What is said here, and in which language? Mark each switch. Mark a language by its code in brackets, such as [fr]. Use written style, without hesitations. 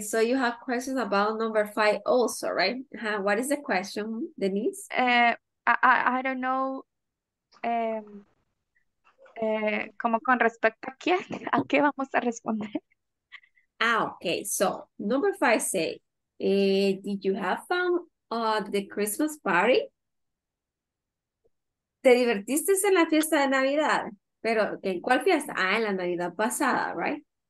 [en] So you have questions about number five also, right? What is the question, Denise? I don't know. [es] Como con respecto a quién, a qué vamos a responder. [en] Ah, okay. So number five say, did you have fun at the Christmas party? [es] ¿Te divertiste en la fiesta de Navidad? Pero ¿en cuál fiesta? Ah, en la Navidad pasada, right?